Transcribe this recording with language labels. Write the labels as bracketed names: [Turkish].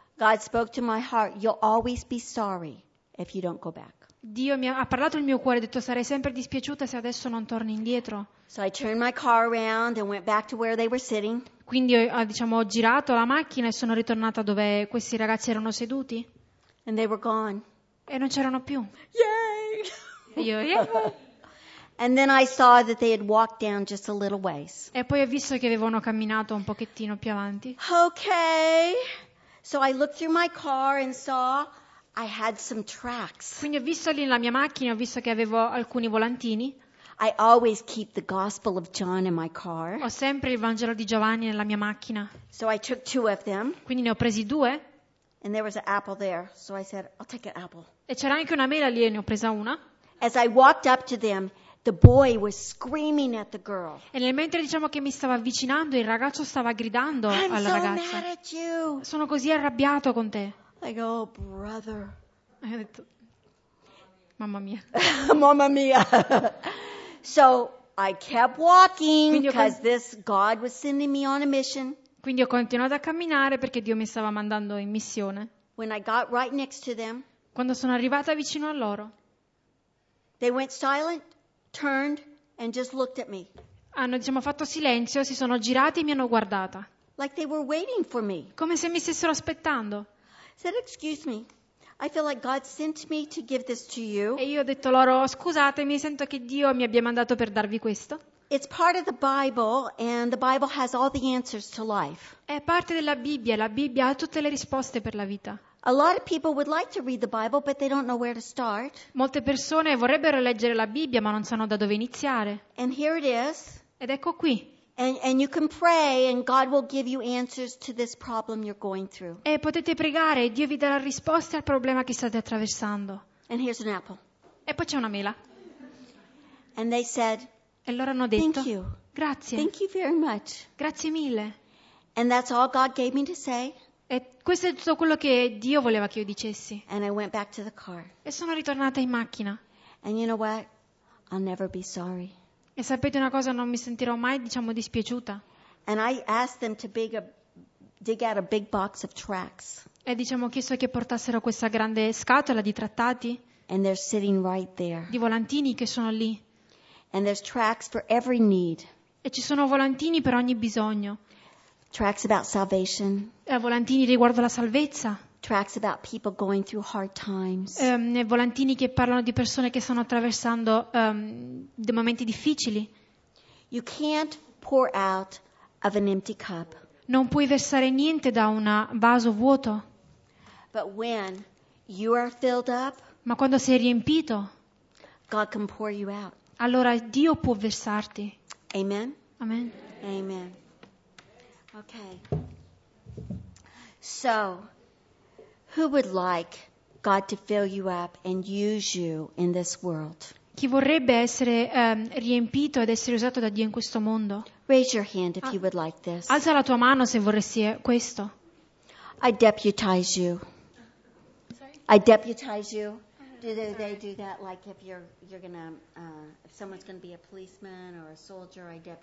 [English] God spoke to my heart, you'll always be sorry if you don't go back. [Italian] Dio mi ha parlato il mio cuore, ha detto sarei sempre dispiaciuta se adesso non torni indietro. [English] So I turned my car around and went back to where they were sitting. [Italian] Quindi ho girato la macchina e sono ritornata dove questi ragazzi erano seduti. [English] And they were gone. [Italian] E non c'erano più. [English] Yay! [Italian] Io, yeah. [English] And then I saw that they had walked down just a little ways. [Italian] E poi ho visto che avevano camminato un pochettino più avanti. [English] Okay. So I looked through my car and saw I had some tracks. [Italian] Quindi ho visto lì nella mia macchina, ho visto che avevo alcuni volantini. [English] I always keep the Gospel of John in my car. [Italian] Ho sempre il Vangelo di Giovanni nella mia macchina. [English] So I took two of them. [Italian] Quindi ne ho presi due. [English] And there was an apple there, so I said, I'll take an apple. [Italian] E c'era anche una mela lì e ne ho presa una. [English] As I walked up to them, the boy was screaming at the girl. [Italian] E nel mentre diciamo che mi stava avvicinando, il ragazzo stava gridando alla ragazza. [English] I'm so mad at you. [Italian] Sono così arrabbiato con te. [English] I go, oh, brother. [Italian] E ho detto, mamma mia. Mamma mia. [English] So I kept walking because this God was sending me on a mission. [Italian] Quindi ho continuato a camminare perché Dio mi stava mandando in missione. [English] When I got right next to them, [Italian] quando sono arrivata vicino a loro, [English] they went silent, turned and just looked at me. [Italian] Hanno fatto silenzio, si sono girati e mi hanno guardata. [English] Like they were waiting for me. [Italian] Come se mi stessero aspettando. [English] Said, excuse me. I feel like God sent me to give this to you. [Italian] E io ho detto loro, scusatemi, sento che Dio mi abbia mandato per darvi questo. [English] It's part of the Bible and the Bible has all the answers to life. [Italian] È parte della Bibbia, la Bibbia ha tutte le risposte per la vita. [English] A lot of people would like to read the Bible but they don't know where to start. [Italian] Molte persone vorrebbero leggere la Bibbia ma non sanno da dove iniziare. [English] And here it is. [Italian] Ed ecco qui. [English] And you can pray and God will give you answers to this problem you're going through. [Italian] E potete pregare e Dio vi darà risposte al problema che state attraversando. [English] And here's an apple. [Italian] E poi c'è una mela. [English] And they said, [Italian] e loro hanno detto, [English] thank you. [Italian] Grazie. [English] Thank you very much. [Italian] Grazie mille. [English] And that's all God gave me to say. [Italian] E questo è tutto quello che Dio voleva che io dicessi. [English] And I went back to the car. [Italian] E sono ritornata in macchina. [English] And you know what? I'll never be sorry. [Italian] E sapete una cosa, non mi sentirò mai, diciamo, dispiaciuta. [English] And I asked them to dig out a big box of tracks. [Italian] E diciamo, ho chiesto che portassero questa grande scatola di trattati. [English] And they're sitting right there. [Italian] Di volantini che sono lì. [English] And there's tracks for every need. [Italian] E ci sono volantini per ogni bisogno. [English] Tracks about salvation. [Italian] E volantini riguardo la salvezza. [English] Tracks about people going through hard times. [Italian] E volantini che parlano di persone che stanno attraversando dei momenti difficili. [English] You can't pour out of an empty cup. [Italian] Non puoi versare niente da un vaso vuoto. [English] But when you are filled up, [Italian] ma quando sei riempito, [English] God can pour you out. [Italian] Allora Dio può versarti. [English] Amen. [Italian] Amen. [English] Amen. Okay. So who would like God to fill you up and use you in this world? [Italian] Chi vorrebbe essere riempito ed essere usato da Dio in questo mondo? [English] Raise your hand if you would like this. [Italian] Alza la tua mano se vorresti questo. [English] I deputize you. Sorry? I deputize you. Do they do that like if you're gonna if someone's gonna be a policeman or a soldier?